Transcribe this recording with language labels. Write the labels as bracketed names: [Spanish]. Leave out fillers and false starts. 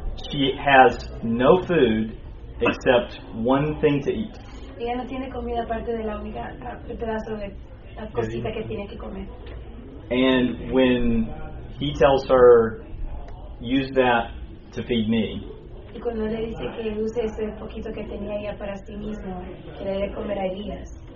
[English] She has no food except one thing to eat. [Spanish] Ella no tiene comida aparte de la única pedazo de la cosita que tiene que comer. [English] And when he tells her, use that to feed me. [Spanish] Y cuando le dice que use ese poquito que tenía ella para sí mismo, que le dé comer a Elías.